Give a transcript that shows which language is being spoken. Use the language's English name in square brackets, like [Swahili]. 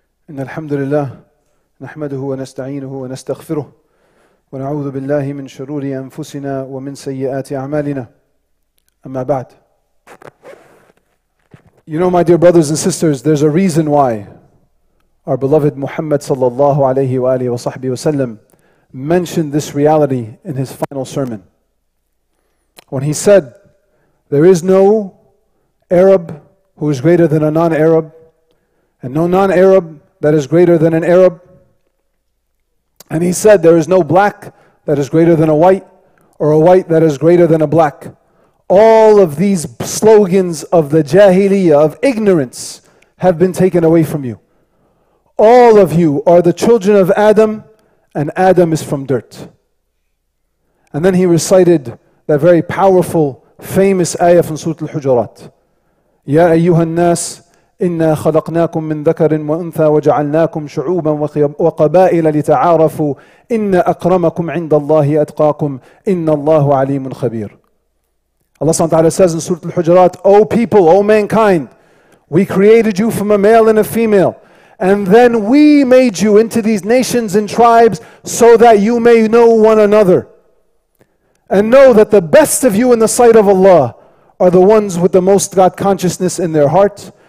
[Arabic] Innal hamdalillah نحمده ونستعينه ونستغفره ونعوذ بالله من شرور أنفسنا ومن سيئات أعمالنا أما بعد. [English] You know, my dear brothers and sisters, there's a reason why our beloved Muhammad sallallahu alayhi wa alihi wa sahbihi wa sallam mentioned this reality in his final sermon. When he said, there is no Arab who is greater than a non-Arab and no non-Arab that is greater than an Arab. And he said, there is no black that is greater than a white, or a white that is greater than a black. All of these slogans of the jahiliyyah, of ignorance, have been taken away from you. All of you are the children of Adam, and Adam is from dirt. And then he recited that very powerful, famous ayah from Surah Al-Hujurat. [Arabic] Ya ayyuha an-nas, إنا خلقناكم من ذكر وأنثى وجعلناكم شعوبا وقبائل لتعارفوا إن أكرمكم عند الله أتقاكم إن الله عليم خبير. [English] Allah سبحانه وتعالى says in Surah Al-Hujurat, O people, O mankind, we created you from a male and a female, and then we made you into these nations and tribes so that you may know one another. And know that the best of you in the sight of Allah are the ones with the most God consciousness in their heart.